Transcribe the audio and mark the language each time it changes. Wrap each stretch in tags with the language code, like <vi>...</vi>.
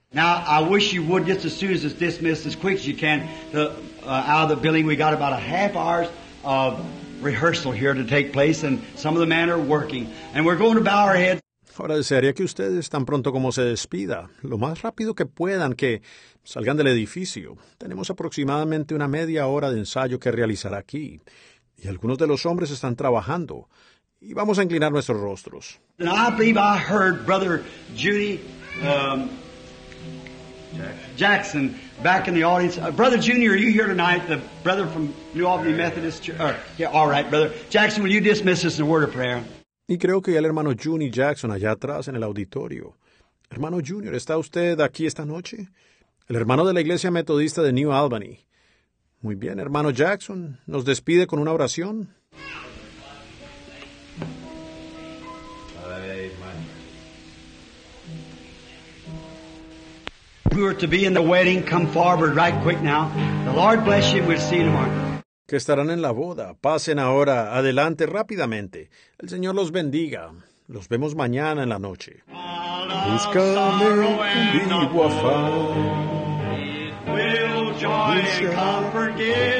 <en>Now, I wish you would, just as soon as it's dismissed, as quick as you can, out of the building, we got about a half hour of rehearsal here to take place, and some of the men are working, and we're going to bow our heads.</en> <es>Ahora desearía que ustedes, tan pronto como se despida, lo más rápido que puedan, que salgan del edificio. Tenemos aproximadamente una media hora de ensayo que realizar aquí, y algunos de los hombres están trabajando, y vamos a inclinar nuestros rostros.</es> <en>And I believe I heard Brother Judy... Jackson, back in the audience. Brother Junior, are you here tonight? The brother from New Albany Methodist Church. All right, Brother Jackson, will you dismiss us in a word of prayer?</en> <es>Y creo que el hermano Junior Jackson allá atrás en el auditorio. Hermano Junior, ¿está usted aquí esta noche? El hermano de la Iglesia Metodista de New Albany. Muy bien, hermano Jackson, ¿nos despide con una oración?</es> <en>Who are to be in the wedding, come forward right quick now. The Lord bless you. We'll see you tomorrow.</en> <es>Que estarán en la boda. Pasen ahora. Adelante rápidamente. El Señor los bendiga. Los vemos mañana en la noche. Búscame en vivo afán.</es> <en>It will joy and comfort give.</en>